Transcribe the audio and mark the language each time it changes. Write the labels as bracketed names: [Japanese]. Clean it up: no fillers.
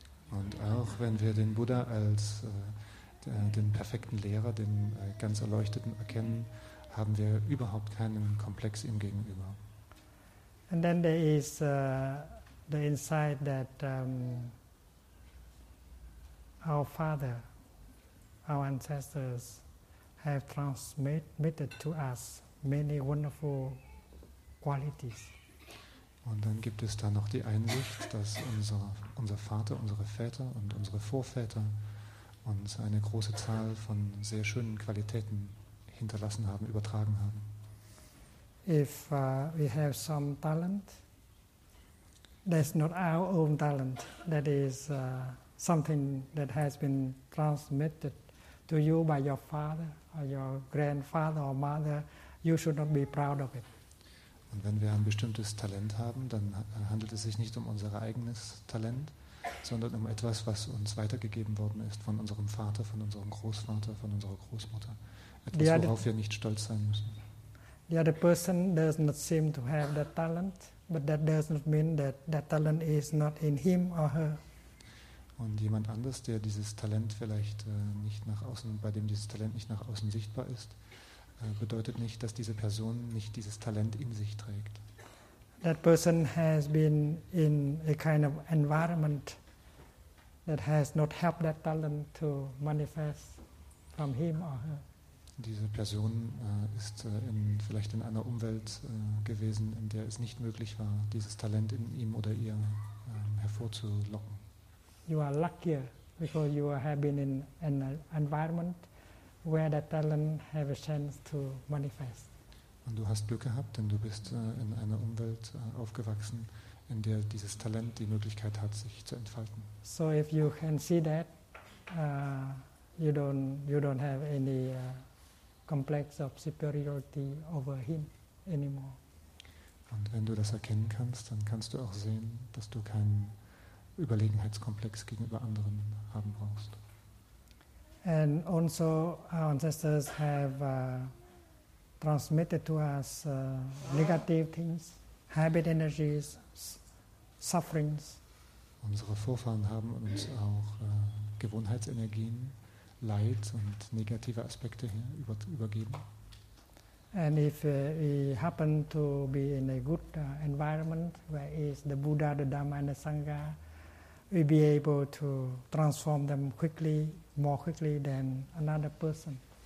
[German] Und auch wenn wir den Buddha als den perfekten Lehrer, den ganz Erleuchteten erkennen, haben wir überhaupt keinen Komplex ihm gegenüber. [English] And then there is the insight that our father, our ancestors have transmitted to us many wonderful qualities. [German] Und dann gibt es da noch die Einsicht, dass unser Vater, unsere Väter und unsere Vorväter uns eine große Zahl von sehr schönen Qualitäten hinterlassen haben, übertragen haben. [English] If we have some talent, that's not our own talent, that is something that has been transmitted to you by your father or your grandfather or mother, you should not be proud of it. [German] Und wenn wir ein bestimmtes Talent haben, dann handelt es sich nicht um unser eigenes Talent, sondern um etwas, was uns weitergegeben worden ist von unserem Vater, von unserem Großvater, von unserer Großmutter. Etwas, worauf wir nicht stolz sein müssen. [English] The other person does not seem to have that talent, but that does not mean that that talent is not in him or her. [German] Und jemand anders, der dieses Talent vielleicht nicht nach außen, bei dem dieses Talent nicht nach außen sichtbar ist, bedeutet nicht, dass diese Person nicht dieses Talent in sich trägt. [English] That person has been in a kind of environment that has not helped that talent to manifest from him or her. [German] Diese Person ist vielleicht in einer Umwelt gewesen, in der es nicht möglich war, dieses Talent in ihm oder ihr hervorzulocken. [English] You are luckier because you have been in an environment where that talent have a chance to manifest. [German] Und du hast Glück gehabt, denn du bist in einer Umwelt aufgewachsen, in der dieses Talent die Möglichkeit hat, sich zu entfalten. [English] So if you can see that, you don't have any complex of superiority over him anymore. [German] Und wenn du das erkennen kannst, dann kannst du auch sehen, dass du keinen Überlegenheitskomplex gegenüber anderen haben brauchst. [English] And also our ancestors have transmitted to us negative things, habit energies, sufferings. [German] Unsere Vorfahren haben uns auch Gewohnheitsenergien, Leid und negative Aspekte übergeben. [English] And if we happen to be in a good environment, where is the Buddha, the Dhamma and the Sangha, we'll be able to transform them quickly, more quickly than another person.